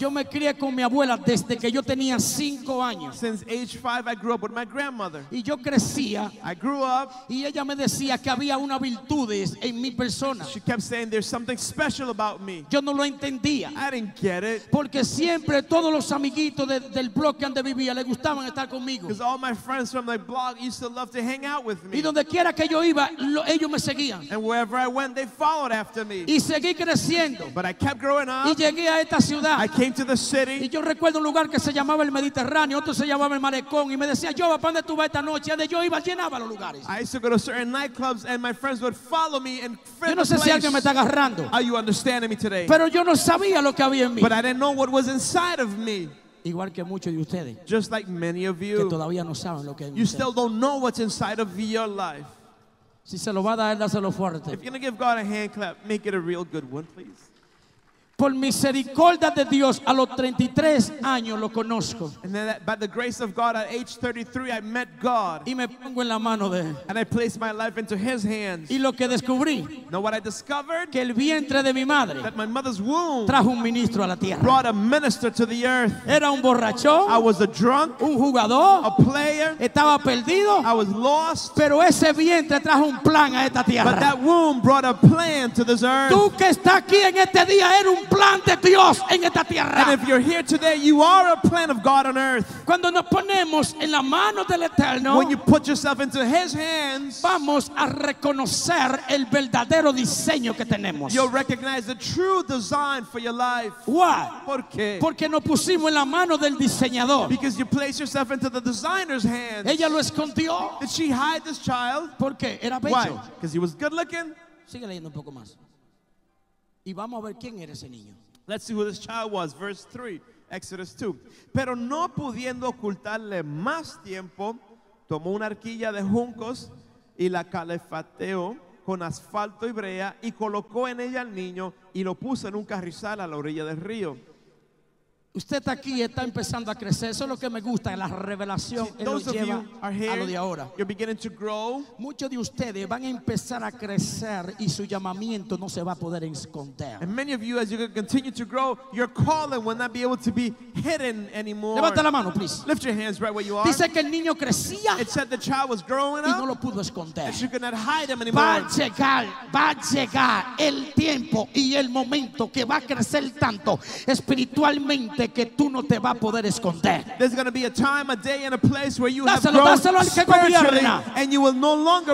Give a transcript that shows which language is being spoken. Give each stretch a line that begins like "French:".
Spanish: Yo me crié con mi abuela desde que yo tenía 5 años.
English: Since age 5 I grew up with my grandmother.
Spanish: Y yo crecía.
English: I grew up.
Spanish: Y ella me decía que había una virtudes en mi persona.
English: She kept saying there's something special about me.
Spanish: Yo no lo entendía.
English: I didn't get it.
Spanish: Porque siempre todos los amiguitos del bloque donde vivía le gustaban estar conmigo.
English: Because all my friends from the block used to love to hang out with me.
Spanish: Y donde quiera que yo iba, ellos me seguían.
English: And wherever I went, they followed after me.
Spanish: Y seguí creciendo.
English: But I kept growing up.
Spanish: Y llegué a esta ciudad.
English: I came to the city.
Spanish: Y yo recuerdo un lugar que se llamaba el Mediterráneo, otro se llamaba el Malecón, y me decía, yo, ¿para dónde tú vas esta noche? Donde yo iba, llenaba los lugares.
English: I used to go to certain nightclubs, and my friends would follow me and fill.
Spanish: Yo no sé si alguien me está agarrando.
English: Are you understanding me today?
Spanish: Pero yo no sabía lo que había en mí.
English: But I didn't know what was inside of me.
Spanish: Igual que muchos de ustedes.
English: Just like many of you.
Spanish: Que todavía no saben lo que.
English: You still don't know what's inside of your life.
Spanish: Si se lo va a dar, dáselo fuerte.
English: If you're going to give God a hand clap, make it a real good one, please.
Spanish: Por misericordia de Dios, a los 33 años lo conozco.
English: And then by the grace of God, at age 33, I met God.
Spanish: Y me pongo en la mano de él.
English: And I placed my life into his hands.
Spanish: Y lo que descubrí.
English: Know what I discovered?
Spanish: Que el vientre de mi madre.
English: That my mother's womb.
Spanish: Trajo un ministro a la tierra.
English: Brought a minister to the earth.
Spanish: Era un borracho.
English: I was a drunk.
Spanish: Un jugador.
English: A player.
Spanish: Estaba perdido.
English: I was lost.
Spanish: Pero ese vientre trajo un plan a esta tierra.
English: But that womb brought a plan to this earth.
Spanish: Tú que estás aquí en este día eres un plan de Dios en esta tierra.
English: And if you're here today, you are a plan of God on earth.
Spanish: Cuando nos ponemos en la mano del Eterno,
English: when you put yourself into his hands,
Spanish: vamos a reconocer el verdadero diseño que tenemos.
English: You'll recognize the true design for your life. Why?
Spanish: ¿Por qué? Porque nos pusimos en la mano del diseñador.
English: Because you place yourself into the designer's hands.
Spanish: Ella lo escondió.
English: Did she hide this child?
Spanish: ¿Por qué? Era bello.
English: Why? Because he was good looking.
Spanish: Sigue leyendo un poco más. Y vamos a ver quién era ese niño.
English: Let's see who this child was. Verse 3, Exodus 2.
Spanish: Pero no pudiendo ocultarle más tiempo, tomó una arquilla de juncos y la calefateó con asfalto y brea y colocó en ella al niño y lo puso en un carrizal a la orilla del río. Usted está aquí, está empezando a crecer. Eso es lo que me gusta, la revelación lo lleva
English: here,
Spanish: a lo de ahora.
English: You're beginning to grow.
Spanish: Muchos de ustedes van a empezar a crecer y su llamamiento no se va a poder esconder.
English: And many of you, as you continue to grow, your calling will not be able to be hidden anymore.
Spanish: Levanta la mano, please.
English: Lift your hands right where you are.
Spanish: Dice que el niño crecía.
English: It said the child was growing up.
Spanish: Y no lo pudo esconder.
English: And she could not hide him anymore.
Spanish: Va a llegar el tiempo y el momento que va a crecer tanto espiritualmente que tú no te vas a poder esconder.
English: There's going to be a time, a day, and a place where you have grown spiritually and you will no longer